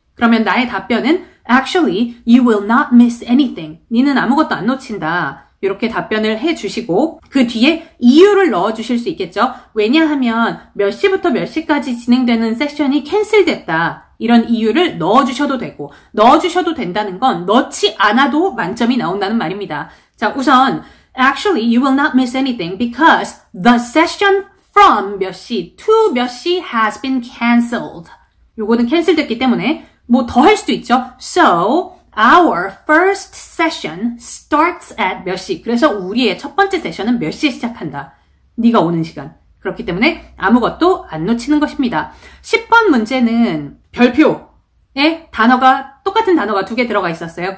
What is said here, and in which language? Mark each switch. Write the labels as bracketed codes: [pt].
[ko] 그러면 나의 답변은 [en] Actually, you will not miss anything. [ko] 너는 아무것도 안 놓친다. 이렇게 답변을 해주시고 그 뒤에 이유를 넣어주실 수 있겠죠. 왜냐하면 몇 시부터 몇 시까지 진행되는 세션이 캔슬됐다. 이런 이유를 넣어주셔도 되고 넣어주셔도 된다는 건 넣지 않아도 만점이 나온다는 말입니다. 자, 우선 [en] Actually, you will not miss anything because the session from 몇 시 to 몇 시 has been cancelled. [ko] 요거는 캔슬됐기 때문에 뭐 더 할 수도 있죠. [en] So, our first session starts at 몇 시. [ko] 그래서 우리의 첫 번째 세션은 몇 시에 시작한다. 네가 오는 시간. 그렇기 때문에 아무것도 안 놓치는 것입니다. 10번 문제는 별표에 단어가 똑같은 단어가 두 개 들어가 있었어요.